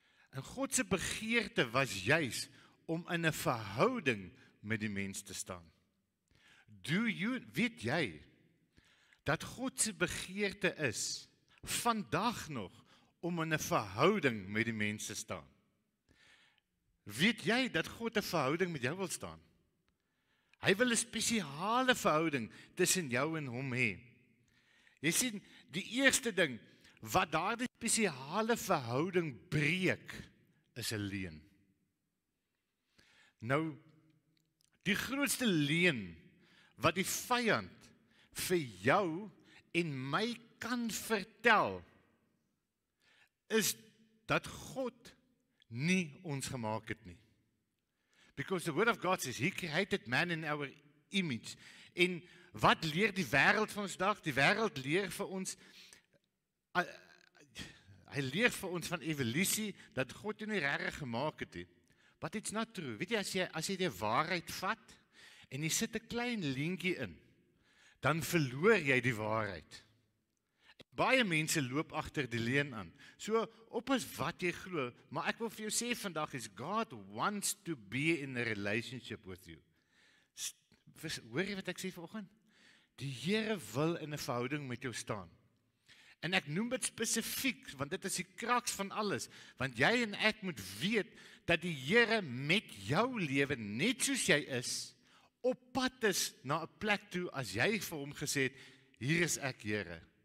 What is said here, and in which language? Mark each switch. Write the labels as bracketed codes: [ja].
[af] En Godse begeerte was juis om in 'n verhouding met die mens te staan. Weet jy, dat Godse begeerte is, vandag nog, om in 'n verhouding met die mens te staan? Weet jy dat God een verhouding met jou wil staan? Hy wil een spesiale verhouding tussen jou en hom hê. Jy sien, die eerste ding wat daar die spesiale verhouding breek, is 'n leuen. Nou, Die grootste leen wat die vijand vir jou en my kan vertel, is dat God nie ons gemaakt het nie. [en] Because the word of God says, he created man in our image. [af] En wat leer die wereld van ons dag? Die wereld leer vir ons, hy leer vir ons van evolutie, dat God nie rare gemaakt het nie. [en] But it's not true. [af] Weet jy, as jy die waarheid vat, en jy sit een klein linkie in, dan verloor jy die waarheid. Baie mense loop achter die leen aan. So, op as wat jy glo, maar ek wil vir jou sê vandag is, [en] God wants to be in a relationship with you. [af] Hoor jy wat ek sê vanoggend? Die Here wil in een verhouding met jou staan. En ek noem dit specifiek, want dit is die kraks van alles, want jy en ek moet weet, dat die Here met jou leven, net soos jy is, op pad is na een plek toe, as jy vir hom gesê het, hier is ek Here.